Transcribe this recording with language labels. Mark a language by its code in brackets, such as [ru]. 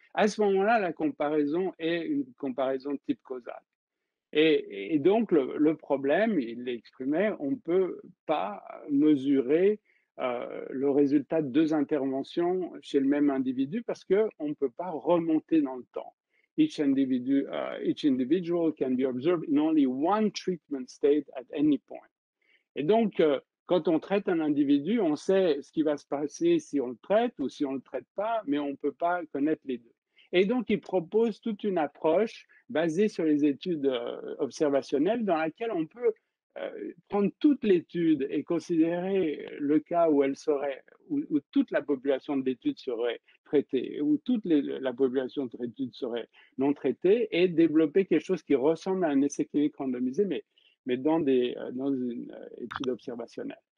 [fr] À ce moment-là, la comparaison est une comparaison de type causal. Et donc, le problème, il l'exprimait, on ne peut pas mesurer le résultat de deux interventions chez le même individu parce qu'on ne peut pas remonter dans le temps. [en] Each individual can be observed in only one treatment state at any point. [fr] Et donc, quand on traite un individu, on sait ce qui va se passer si on le traite ou si on ne le traite pas, mais on ne peut pas connaître les deux. Et donc, il propose toute une approche basée sur les études observationnelles dans laquelle on peut prendre toute l'étude et considérer le cas où elle serait, où toute la population de l'étude serait traitée, où toute la population de l'étude serait non traitée, et développer quelque chose qui ressemble à un essai clinique randomisé, mais dans une étude observationnelle.